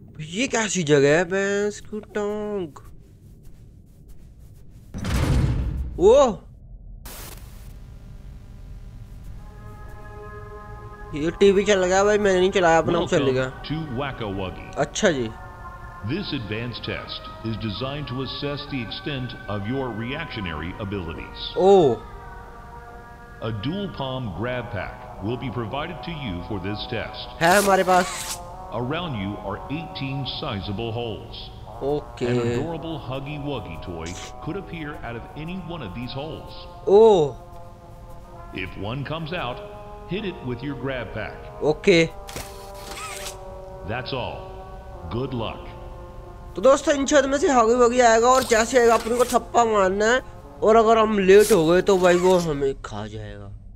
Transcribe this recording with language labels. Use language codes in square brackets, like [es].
[hi] ये कैसी जगह है? भैंस की टांग। ओ ये टीवी चल गया भाई, मैंने नहीं चलाया अपना, चल गया। अच्छा जी। [en] This advanced test is designed to assess the extent of your reactionary abilities. Oh. A dual palm grab pack will be provided to you for this test. [hi] Hai hamare paas. [en] Around you are 18 sizable holes. Okay. An adorable Huggy Wuggy toy could appear out of any one of these holes. Oh. If one comes out, hit it with your grab pack. Okay. That's all. Good luck. [hi] तो दोस्तों इन छत में से हगी वगी आएगा और जैसे आएगा अपने को थप्पा मारना है, और अगर हम लेट हो गए तो भाई वो हमें खा जाएगा।